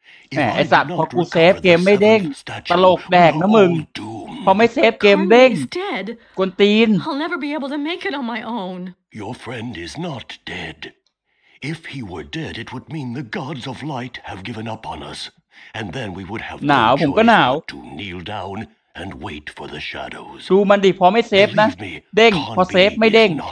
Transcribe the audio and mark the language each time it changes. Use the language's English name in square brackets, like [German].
[Thai] แหมไอ้สัตว์พอกูเซฟเกมไม่เด้งตลกแดกนะมึงพอไม่เซฟเกมเด้งกวนตีน [English] I'll never be able to make it on my own. Your friend is not dead. If he were dead, it would mean the gods of light have given up on us, and then we would have no choice but to kneel down and wait for the shadows. [Thai] ดูมันดิพอไม่เซฟนะเด้งพอเซฟไม่เด้ง